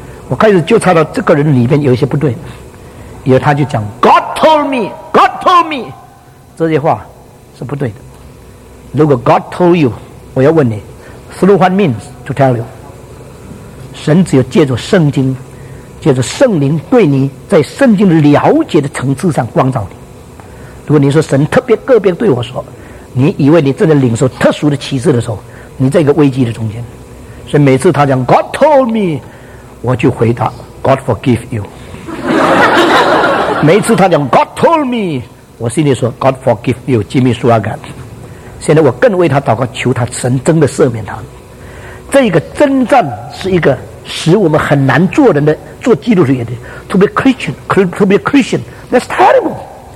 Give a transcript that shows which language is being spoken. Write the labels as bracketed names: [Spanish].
[Chinese] 我开始就察到这个人里面有一些不对，以后他就讲 [English] God told me， God told me， [Chinese] 这些话是不对的。如果 [English] God told you， [Chinese] 我要问你 [English] through what means to tell you， [Chinese] 神只有借着圣经就是圣灵对你在圣经了解的层次上光照你。如果你说神特别个别对我说，你以为你正在领受特殊的启示的时候，你在一个危机的中间。所以每次他讲 [English] God told me， [Chinese] 我就回答 [English] God forgive you。 [Chinese] 每次他讲 [English] God told me， [Chinese] 我心里说 [English] God forgive you， [Chinese] 吉米苏阿甘。现在我更为他祷告，求他神真的赦免他。这个征战是一个使我们很难做人的，做基督徒也得 [English] to be Christian， to be Christian that's terrible。